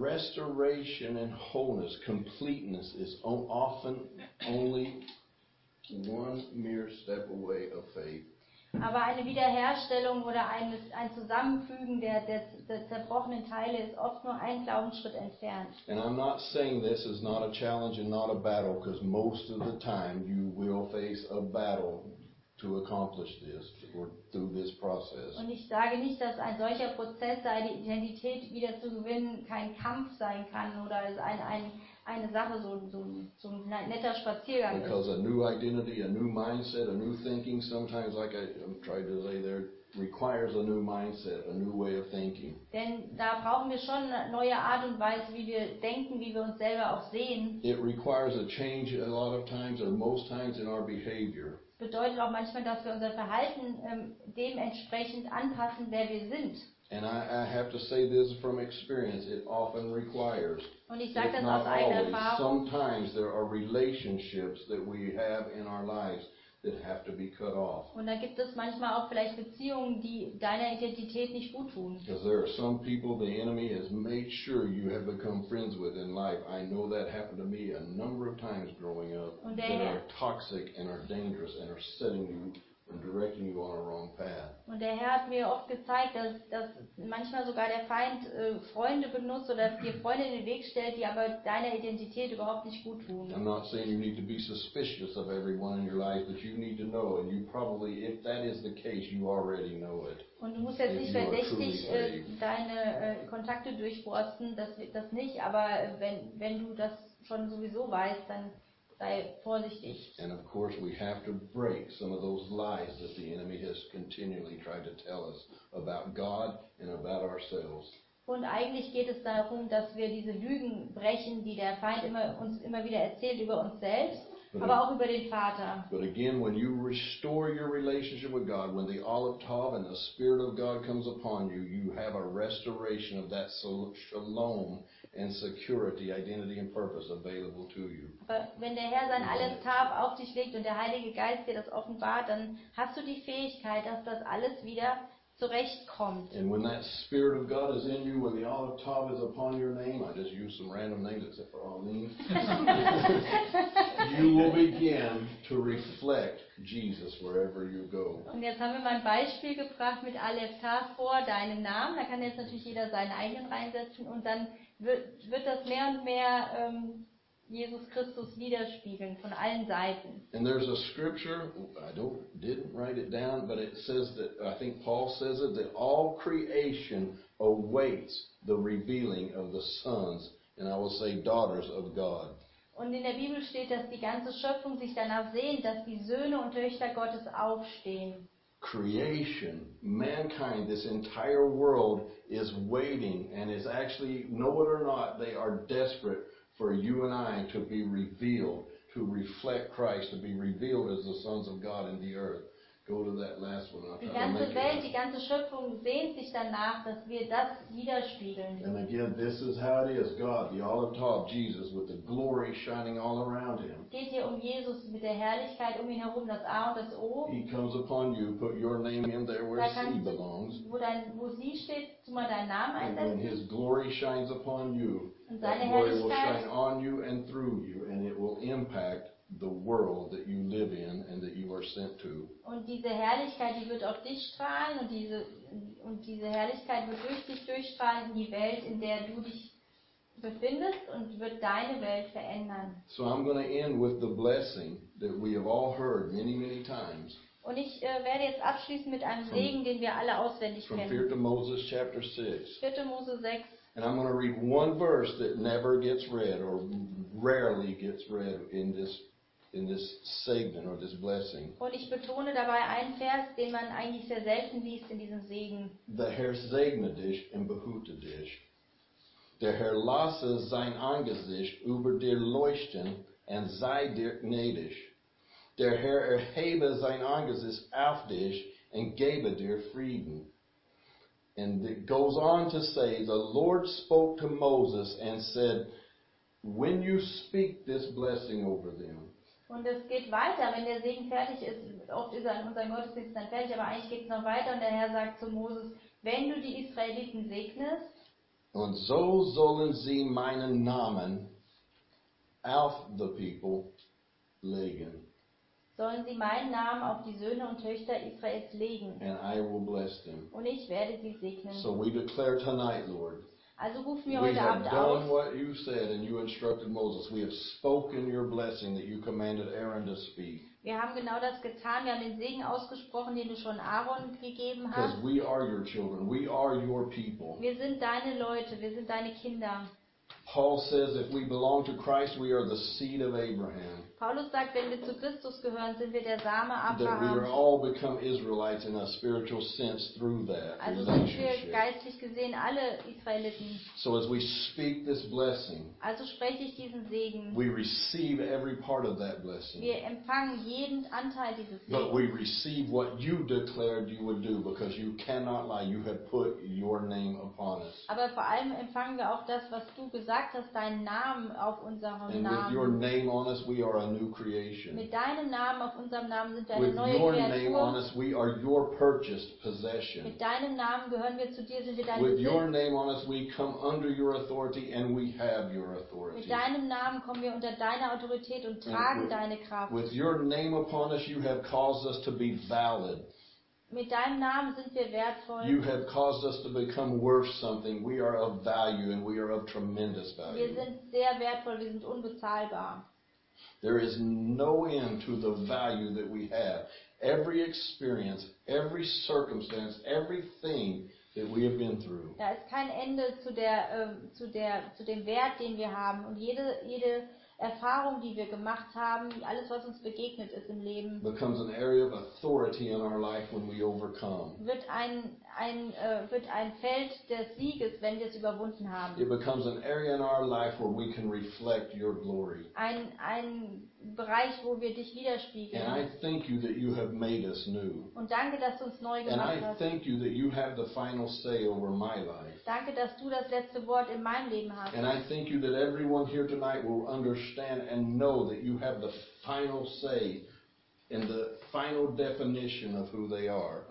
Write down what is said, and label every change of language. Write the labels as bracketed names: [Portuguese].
[English] Restoration and wholeness, completeness is often only one mere step away of faith. [German] Aber eine Wiederherstellung oder ein Zusammenfügen der zerbrochenen Teile ist oft nur ein Glaubensschritt entfernt. [English] And I'm not saying this is not a challenge and not a battle, because most of the time you will face a battle to accomplish this or through this process. [German] Und ich sage nicht, dass ein solcher Prozess, seine Identität wieder zu gewinnen, kein Kampf sein kann oder eine Sache, so ein netter Spaziergang. [English] Because a new identity, a new mindset, a new thinking, sometimes, like I tried to say there, requires a new mindset, a new way of thinking. [German] Denn da brauchen wir schon eine neue Art und Weise, wie wir denken, wie wir uns selber auch sehen. [English] It requires a change a lot of times, or most times in our behavior. [German] Bedeutet auch manchmal, dass wir unser Verhalten dementsprechend anpassen, wer wir sind. [English] And I have to say this from experience, it often requires, [German] und ich sag [English] if [German] das [English] not [German] aus eigener [English] always, [German] Erfahrung, [English] sometimes there are relationships that we have in our lives that have to be cut off. [German] Und da gibt es manchmal auch vielleicht Beziehungen, die deiner Identität nicht gut tun. [English] Because there are some people the enemy has made sure you have become friends with in life. I know that happened to me a number of times growing up. [German] Und der [English] that are toxic and are dangerous and are setting you and directing you on a wrong path. [German] Und der Herr hat mir oft gezeigt, dass manchmal sogar der Feind Freunde benutzt oder dir Freunde in den Weg stellt, die aber deiner Identität überhaupt nicht gut tun. [English] I'm not saying you need to be suspicious of everyone in your life, but you need to know, and you probably, if that is the case, you already know it. [German] Und du musst jetzt nicht verdächtig deine Kontakte durchforsten, das nicht, aber wenn du das schon sowieso weißt, dann Sei vorsichtig. [English] And of course we have to break some of those lies that the enemy has continually tried to tell us about God and about ourselves. [German] Und eigentlich geht es darum, dass wir diese Lügen brechen, die der Feind uns immer wieder erzählt über uns selbst, aber auch über den Vater. [English] But again, when you restore your relationship with God, when the olive tav and the Spirit of God comes upon you, you have a restoration of that shalom and security, identity and purpose available to you. [German] Aber wenn der Herr sein olive tav auf dich legt und der Heilige Geist dir das offenbart, dann hast du die Fähigkeit, dass das alles wieder zurechtkommt. [English] And when that Spirit of God is in you, when the olive tav is upon your name, I just use some random names except for Aline, you will begin to reflect Jesus wherever you go. [German] Und jetzt haben wir mal ein Beispiel gebracht mit Aleph Tav vor deinem Namen. Da kann jetzt natürlich jeder seinen eigenen reinsetzen und dann wird das mehr und mehr Jesus Christus widerspiegeln von allen Seiten. [English] And there's a scripture, didn't write it down, but it says that, I think Paul says it, that all creation awaits the revealing of the sons, and I will say daughters of God. [German] Und in der Bibel steht, dass die ganze Schöpfung sich danach sehnt, dass die Söhne und Töchter Gottes aufstehen. [English] Creation, mankind, this entire world is waiting and is actually, know it or not, they are desperate for you and I to be revealed, to reflect Christ, to be revealed as the sons of God in the earth. Go to that last one. [German] Die ganze Welt, die ganze Schöpfung sehnt sich danach, dass wir das widerspiegeln. [English] And again, this is how it is. God, the olive tav, Jesus, with the glory shining all around him. [German] Geht hier um Jesus mit der Herrlichkeit um ihn herum, das A und das O. [English] He comes upon you, put your name in there where C belongs. [German] Wo sie steht, tu mal deinen Namen einsetzen. [English] And when his glory shines upon you, the glory will shine on you and through you, and it will impact the world that you live in and that you are sent to. [German] Und diese Herrlichkeit, die wird auf dich strahlen, und diese Herrlichkeit wird durchstrahlen in die Welt, in der du dich befindest, und wird deine Welt verändern. [English] So I'm going to end with the blessing that we have all heard many, many times. [German] Und ich werde jetzt abschließen mit einem Segen, den wir alle auswendig kennen. [English] From 4. Moses chapter 6. [German] 4. Mose 6. [English] And I'm going to read one verse that never gets read or rarely gets read in this segment or this blessing. [German] Und ich betone dabei einen Vers, den man eigentlich sehr selten liest in diesem Segen. The Herr segne dich und behüte dich. Der Herr lasse sein Angesicht über dir leuchten und sei dir gnädig. Der Herr erhebe sein Angesicht auf dich und gebe dir Frieden. [English] And it goes on to say, the Lord spoke to Moses and said, when you speak this blessing over them. [German] Und es geht weiter, wenn der Segen fertig ist. Oft ist er an unserem Gottesdienst dann fertig, aber eigentlich geht es noch weiter. Und der Herr sagt zu Moses, wenn du die Israeliten segnest. Und so sollen sie meinen Namen auf [English] the people [German] legen. Sollen sie meinen Namen auf die Söhne und Töchter Israels legen. [English] And I will bless them. [German] Und ich werde sie segnen. [English] So we declare tonight, Lord. [German] Also rufen wir [English] we [German] heute Abend [English] have done [German] auf. [English] What you said and you instructed Moses. We have spoken your blessing that you commanded Aaron to speak. [German] Wir haben genau das getan. Wir haben den Segen ausgesprochen, den du schon Aaron gegeben hast. [English] Because we are your children. We are your people. [German] Wir sind deine Leute. Wir sind deine Kinder. [English] Paul says, if we belong to Christ, we are the seed of Abraham. [German] Paulus sagt, wenn wir zu Christus gehören, sind wir der Same Abrahams. [English] That we are all become Israelites in a spiritual sense through that relationship. [German] Also sind wir geistlich gesehen alle Israeliten. [English] So as we speak this blessing, [German] also spreche ich diesen Segen. [English] We receive every part of that blessing. [German] Wir empfangen jeden Anteil dieses Segens. [English] But we receive what you declared you would do, because you cannot lie. You have put your name upon us. [German] Aber vor allem empfangen wir auch das, was du gesagt hast, deinen Namen auf unserem [English] And [German] Namen. [English] With your name on us, we are a new creation. [German] Mit deinem Namen auf unserem Namen sind wir eine [English] with [German] neue [English] your [German] Kreatur. [English] Name on us, we are your purchased possession. [German] Mit deinem Namen gehören wir zu dir, sind wir dein [English] With Sinn. Your name on us, we come under your authority and we have your authority. [German] Mit deinem Namen kommen wir unter deine Autorität und tragen [English] with, [German] deine Kraft. [English] With your name upon us, you have caused us to be valid. [German] Mit deinem Namen sind wir wertvoll. [English] You have caused us to become worth something. We are of value and we are of tremendous value. [German] Wir sind sehr wertvoll, wir sind unbezahlbar. [English] There is no end to the value that we have. Every experience, every circumstance, everything that we have been through. [German] Da ist kein Ende zu dem Wert, den wir haben, und jede Erfahrung, die wir gemacht haben, alles, was uns begegnet ist im Leben, [English] becomes an area of authority in our life when we overcome. [German] Wird ein Feld des Sieges, wenn wir es überwunden haben. [English] It becomes an area in our life where we can reflect your glory. [German] Ein Bereich, wo wir dich widerspiegeln. [English] And I thank you that you have made us new. [German] Und danke, dass du uns neu gemacht hast. [English] And I thank you that you have the final say over my life. [German] Danke, dass du das letzte Wort in meinem Leben hast. [English] And I thank you that everyone here tonight will understand and know that you have the final say in the final definition of who they are.